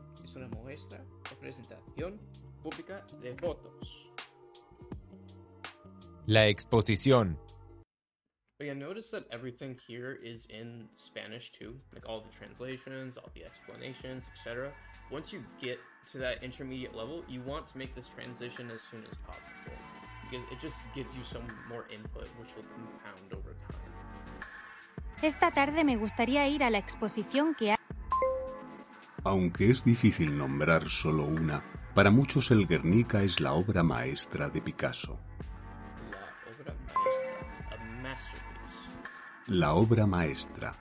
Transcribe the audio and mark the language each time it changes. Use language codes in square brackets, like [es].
[es] Es una muestra o presentación pública de fotos. La exposición. [en] But yeah, notice that everything here is in Spanish too. Like all the translations, all the explanations, etc. Once you get to that intermediate level, you want to make this transition as soon as possible. Because it just gives you some more input, which will compound over time. [es] Esta tarde me gustaría ir a la exposición que ha... Aunque es difícil nombrar solo una, para muchos el Guernica es la obra maestra de Picasso. La obra maestra. [en] A masterpiece. [es] La obra maestra.